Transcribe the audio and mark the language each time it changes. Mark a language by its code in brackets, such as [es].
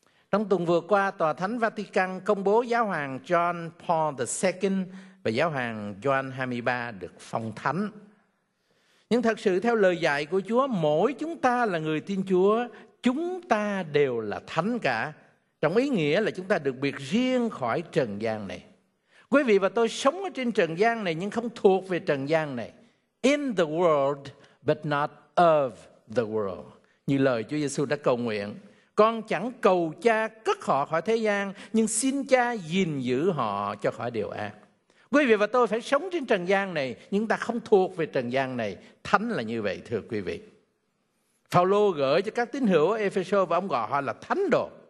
[vi] Trong tuần vừa qua, Tòa Thánh Vatican công bố Giáo hoàng John Paul II và Giáo hoàng John 23 được phong thánh. Nhưng thật sự theo lời dạy của Chúa, mỗi chúng ta là người tin Chúa, chúng ta đều là thánh cả. Trong ý nghĩa là chúng ta được biệt riêng khỏi trần gian này. Quý vị và tôi sống ở trên trần gian này nhưng không thuộc về trần gian này. [en] In the world, but not of the world. [vi] Như lời Chúa Giê-xu đã cầu nguyện: Con chẳng cầu cha cất họ khỏi thế gian, nhưng xin cha gìn giữ họ cho khỏi điều ác. Quý vị và tôi phải sống trên trần gian này, nhưng ta không thuộc về trần gian này. Thánh là như vậy, thưa quý vị. Phao-lô gửi cho các tín hữu ở Ephesos và ông gọi họ là thánh đồ.